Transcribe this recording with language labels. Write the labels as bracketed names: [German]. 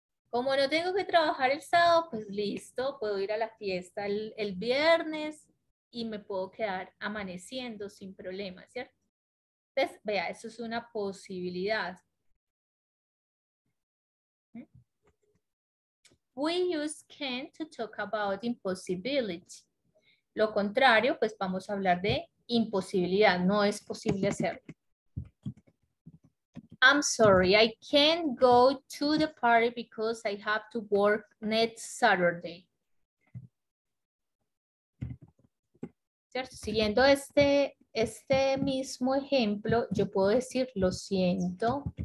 [Spanish] Como no tengo que trabajar el sábado, pues listo, puedo ir a la fiesta el viernes, y me puedo quedar amaneciendo sin problema, ¿cierto? Entonces, vea, eso es una posibilidad. [English] We use can to talk about impossibility. [Spanish] Lo contrario, pues vamos a hablar de imposibilidad. No es posible hacerlo. [English] I'm sorry, I can't go to the party because I have to work next Saturday. [Spanish] ¿Cierto? Siguiendo este mismo ejemplo, yo puedo decir, lo siento.